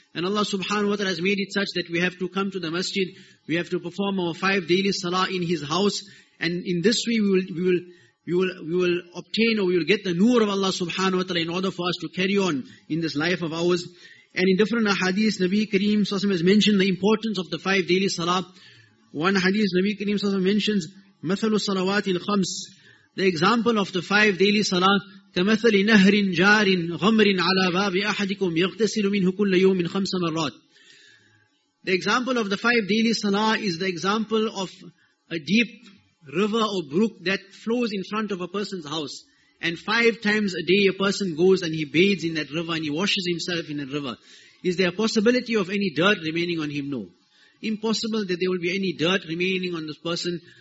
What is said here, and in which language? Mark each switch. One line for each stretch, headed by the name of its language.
English: And Allah subhanahu wa ta'ala has made it such that we have to come to the masjid, we have to perform our 5 daily salah in His house, and in this way we will obtain, or we will get the nur of Allah subhanahu wa ta'ala in order for us to carry on in this life of ours. And in different hadiths, Nabi Kareem s.a.w. has mentioned the importance of the 5 daily salah. One hadith, Nabi Kareem s.a.w.
Arabic: mentions, مَثَلُ الصَّلَوَاتِ الْخَمْسِ,
English: the example of the 5 daily salah,
Arabic: كَمَثَلِ نَهْرٍ جَارٍ غَمْرٍ عَلَى بَابِ أَحَدِكُمْ يَغْتَسِلُ مِنْهُ كُلَّ يَوْمٍ 5 مَرَّاتٍ.
English: The example of the 5 daily salah is the example of a deep river or brook that flows in front of a person's house. And 5 times a day a person goes and he bathes in that river and he washes himself in that river. Is there a possibility of any dirt remaining on him? No. Impossible that there will be any dirt remaining on this person.